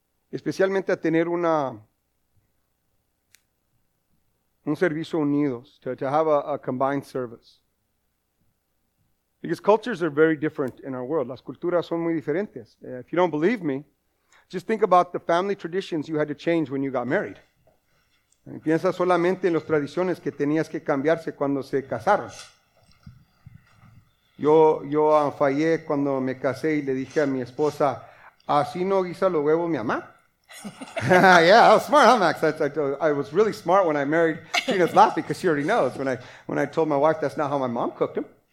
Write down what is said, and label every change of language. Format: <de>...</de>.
<es>Especialmente a tener un servicio unidos,</es> <en>to have a combined service. Because cultures are very different in our world.</en> <es>Las culturas son muy diferentes.</es> <en>If you don't believe me, just think about the family traditions you had to change when you got married.</en> <es>Piensa solamente en las tradiciones que tenías que cambiarse cuando se casaron. Yo fallé cuando me casé y le dije a mi esposa, así no guisa los huevos mi mamá.</es> <en>Yeah, I was smart, huh, Max? I was really smart when I married Tina's laugh because she already knows when I told my wife that's not how my mom cooked them.</en>